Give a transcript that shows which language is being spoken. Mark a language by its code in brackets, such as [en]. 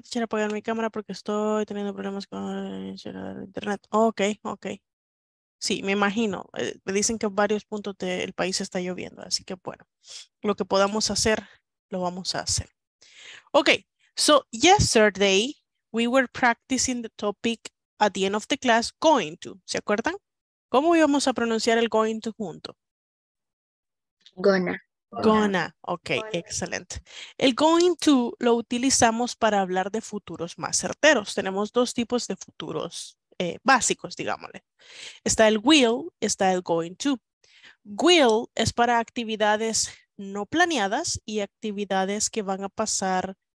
[es] Te quiero apagar mi cámara porque estoy teniendo problemas con el internet. Ok, ok. Sí, me imagino. Me dicen que en varios puntos del país está lloviendo. Así que bueno, lo que podamos hacer, lo vamos a hacer. [en] Ok, so yesterday we were practicing the topic at the end of the class, going to. [es] ¿Se acuerdan? ¿Cómo íbamos a pronunciar el going to junto? [en] Gonna. [es] Ok, excelente. El going to lo utilizamos para hablar de futuros más certeros. Tenemos dos tipos de futuros básicos, digámosle. Está el will, está el going to. Will es para actividades no planeadas y actividades que van a pasar.